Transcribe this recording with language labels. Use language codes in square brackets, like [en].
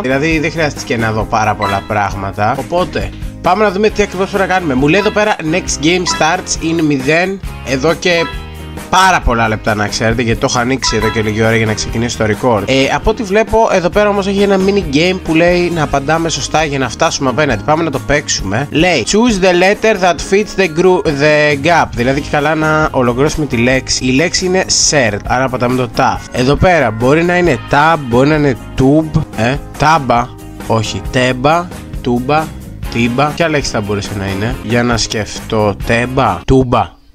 [el] Δηλαδή, δεν χρειάστηκε να δω πάρα πολλά πράγματα. Οπότε, πάμε να δούμε τι ακριβώς πρέπει να κάνουμε. Μου λέει εδώ πέρα [en] Next Game Starts in 0. [el] Εδώ και πάρα πολλά λεπτά, να ξέρετε, γιατί το έχω ανοίξει εδώ και λίγη ώρα για να ξεκινήσει το record. Από ό,τι βλέπω, εδώ πέρα όμως έχει ένα mini game που λέει να απαντάμε σωστά για να φτάσουμε απέναντι. Πάμε να το παίξουμε. Λέει [en] Choose the letter that fits the gap. [el] Δηλαδή, και καλά να ολοκληρώσουμε τη λέξη. Η λέξη είναι shirt, άρα απαντάμε το tab. Εδώ πέρα μπορεί να είναι tab, μπορεί να είναι tube. Τάμπα. Όχι, τέμπα. Τούμπα. Τίμπα. Ποια λέξη θα μπορούσε να είναι? Για να σκεφτώ. Τέμπα. Τούμπα.